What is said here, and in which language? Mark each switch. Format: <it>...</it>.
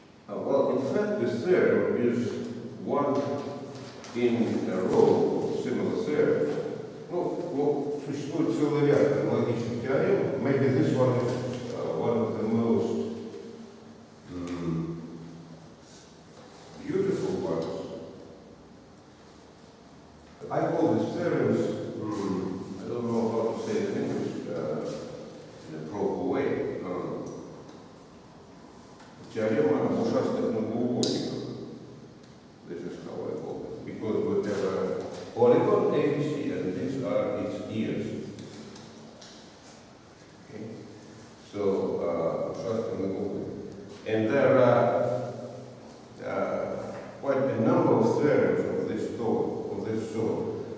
<en>Well, in fact, the serum is one in a row of similar serums.</en> <ru>Ну, вот существует целый ряд аналогичных теорем.</ru> <en>Maybe this one is one of the most beautiful ones. I call this theorem, I don't know how to say it in English, in a proper way.</en> <ru>Теорема об ужасных многоугольниках.</ru> <en>This is how I call it. Because whatever polygon A, B, C, and these are its ears. Okay.</en> <ru>So, ужасных многоугольниках.</ru> <en>And there are quite a number of theorems of this sort.</en>